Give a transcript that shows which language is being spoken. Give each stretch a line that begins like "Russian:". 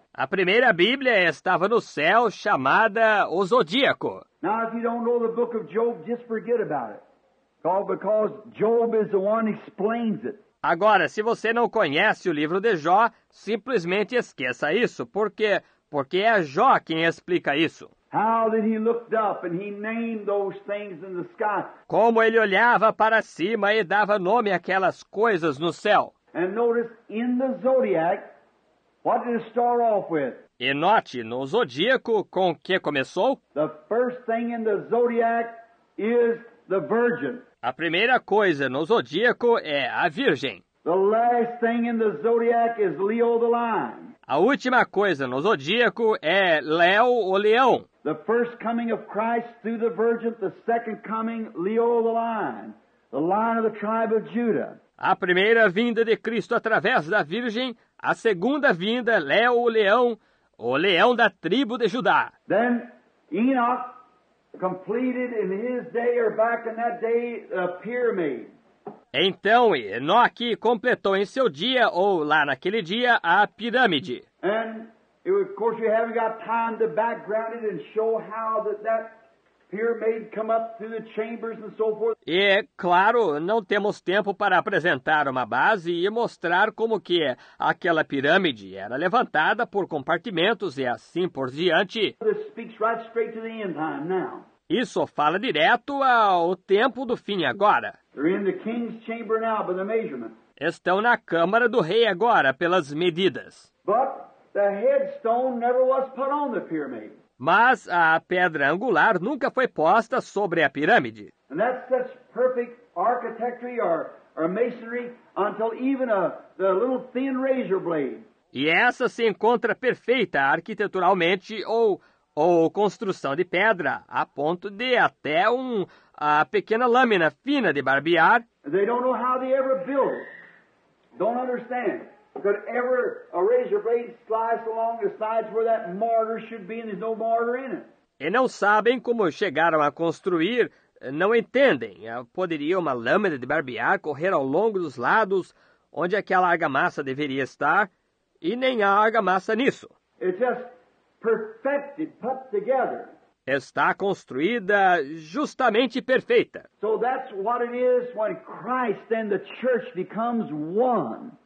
Portuguese: A primeira Bíblia estava no céu, chamada o Zodíaco.
English: Now, if you don't know the book of Job, just forget about it. Because Job is the one who explains it.
Portuguese: Agora, se você não conhece o livro de Jó, simplesmente esqueça isso. Por quê? Porque é Jó quem explica isso.
English: How did he look up and he named those things in the sky?
Portuguese: Como ele olhava para cima e dava nome àquelas coisas no céu?
English: And notice in the zodiac, what did it start off with?
Portuguese: E note no zodíaco com que começou?
English: The first thing in the zodiac is the virgin.
Portuguese: A primeira coisa no zodíaco é a virgem.
English: The last thing in the zodiac is Leo the lion.
Portuguese: A última coisa no zodíaco é Léo, o leão.
English: The first coming of Christ through the virgin, the second coming, Leo the lion, the lion of the tribe of Judah.
Portuguese: A primeira vinda de Cristo através da virgem, a segunda vinda, Léo, o leão da tribo de Judá.
English: Then Enoch completed in his day or back in that day a pyramid.
Portuguese: Então, Enoque completou em seu dia, ou lá naquele dia, a pirâmide.
English: And, of course, you haven't got time to background it and show how that pyramid come up through the chambers and so forth.
Portuguese: E, claro, não temos tempo para apresentar uma base e mostrar como que aquela pirâmide era levantada por compartimentos e assim por diante.
English: This speaks right straight to the end time now.
Portuguese: Isso fala direto ao tempo do fim agora.
English: In the king's chamber now by the measurement.
Portuguese: Estão na câmara do rei agora pelas medidas.
English: But the headstone never was put on the pyramid.
Portuguese: Mas a pedra angular nunca foi posta sobre a pirâmide.
English: And that's such perfect architecture or masonry until even the little thin razor blade.
Portuguese: E essa se encontra perfeita arquiteturalmente ou construção de pedra, a ponto de até a pequena lâmina fina de barbear.
English: They don't know how they ever build. Don't understand. Could ever a razor blade slice along the sides where that mortar should be and there's no mortar in it.
Portuguese: E não sabem como chegaram a construir, não entendem. Poderia uma lâmina de barbear correr ao longo dos lados onde aquela argamassa deveria estar e nem há argamassa nisso.
English: Perfected, put together.
Portuguese: Está construída justamente perfeita.
English: So that's what it is when Christ and the church becomes one.